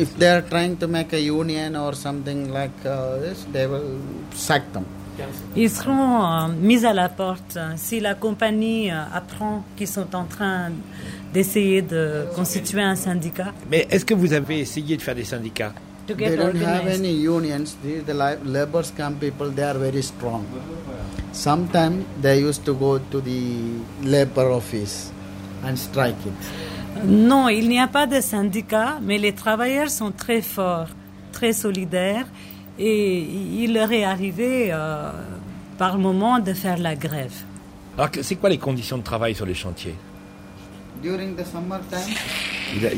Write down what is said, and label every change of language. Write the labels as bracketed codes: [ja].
[en] If they are trying to make a union or something like this, they will sack them. [fr] Ils seront mis à la porte si la compagnie apprend qu'ils sont en train d'essayer de constituer un syndicat. Mais est-ce que vous avez essayé de faire des syndicats? [en] They don't have any unions. The labor camp people, they are very strong. Sometimes they used to go to the labor office and strike it. [fr] Non, il n'y a pas de syndicat, mais les travailleurs sont très forts, très solidaires, et il leur est arrivé par moment de faire la grève. Alors, c'est quoi les conditions de travail sur les chantiers? [en] During the summer time.